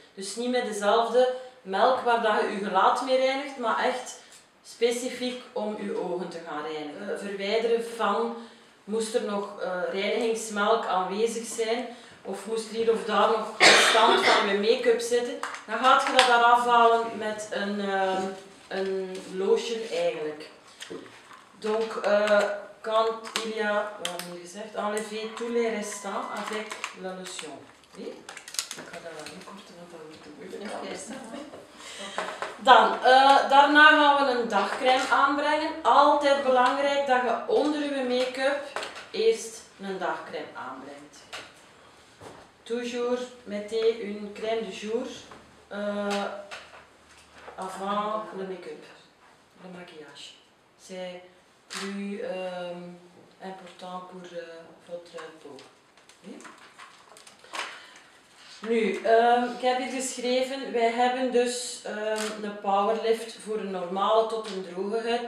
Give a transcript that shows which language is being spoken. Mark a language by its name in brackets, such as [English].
[Dutch] Dus niet met dezelfde melk waar dat je je gelaat mee reinigt, maar echt specifiek om je ogen te gaan reinigen. Verwijderen van, moest er nog reinigingsmelk aanwezig zijn, of moest er hier of daar nog constant van je make-up zitten, dan gaat je dat eraf halen met een lotion eigenlijk. [French] Donc, quand il y a, [Dutch] wat heb je gezegd, [French] enlever tous les restants avec la lotion. [Dutch] Nee? Ik ga dat wel inkorten, want dat wordt te moeilijk. Dan, daarna gaan we een dagcrème aanbrengen. Altijd belangrijk dat je onder je make-up eerst een dagcrème aanbrengt. [French] Toujours mettez une crème du jour avant le make-up, le maquillage. C'est plus important pour votre peau. Oui? [Dutch] Nu, ik heb hier geschreven, wij hebben dus een powerlift voor een normale tot een droge huid.